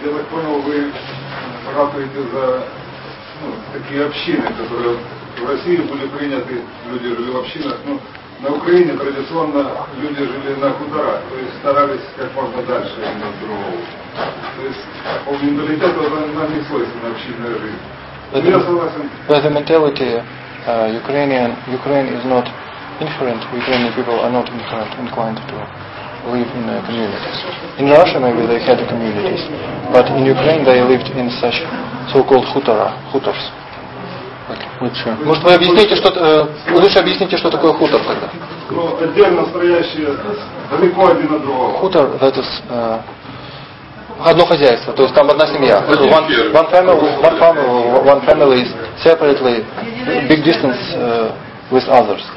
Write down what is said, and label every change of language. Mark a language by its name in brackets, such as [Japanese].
[Russian] Я так понял, вы ратуете за такие общины, которые в России были приняты, люди жили в общинах. Но на Украине традиционно люди жили на хуторах, то есть старались как можно дальше один от другого. То есть у менталитета нам не свойственна общинная жизнь. Я согласен. [English] But the mentality, Ukrainian, Ukraine is not indifferent. Ukrainian people are not indifferent, inclined to live in communities. In Russia maybe they had communities, but in Ukraine they lived in such so-called хутора, хуторс. [Russian] Может вы объясните, что лучше объясните, что такое хутор тогда? Ну, отдельно стоящие далеко один от другого. Хутор – это одно хозяйство, то есть там одна семья. [English] One family is separately, big distance with others.